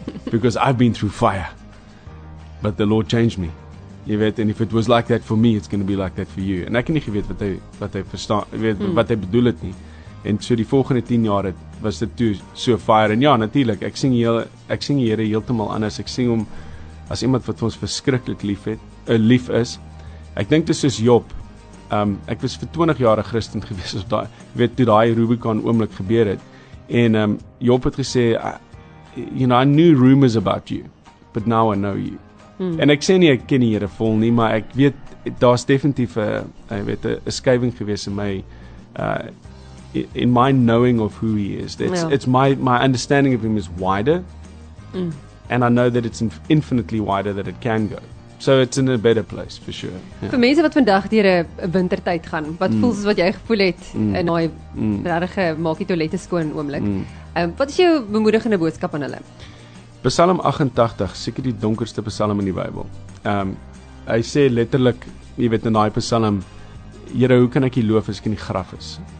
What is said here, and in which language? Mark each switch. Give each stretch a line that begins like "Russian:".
English: Because I've been through fire. But the Lord changed me.
Afrikaans: Jy weet,
English: and if it was like that for me, it's gonna be like that for you.
Afrikaans: En ek het nie geweet wat hy verstaan, weet, wat hy bedoel het nie. En so die volgende 10 jaar het, was dit toe so fire. En ja, natuurlik, ek sien die Here heeltemal anders. Ek sien hom as iemand wat vir ons verskriklik lief het, lief is. Ek dink dit is soos Job. Ek was vir 20 jaar 'n Christen gewees op daai, weet toe daai Rubicon oomblik gebeur het. En Job het gesê,
English: you know, I knew rumors about you, but now I know you.
Afrikaans: En ek sê nie ek ken die Here vol nie, maar ek weet daar's definitief 'n skuiwing gewees in my in
English: my knowing of who he is. It's it's my understanding of him is wider. And I know that it's infinitely wider that it can go. So it's in a better place for sure. Yeah.
Afrikaans: Vir mense wat vandag deur 'n wintertyd gaan, wat voel soos wat jy gevoel het in daai regte maak die toilette skoon oomblik. Wat is jou bemoedigende boodskap aan hulle? Psalm 88, seker die donkerste psalm in die Bybel. Hy sê letterlik, jy weet in daai psalm, Here, hoe kan ek U loof as ek in die graf is?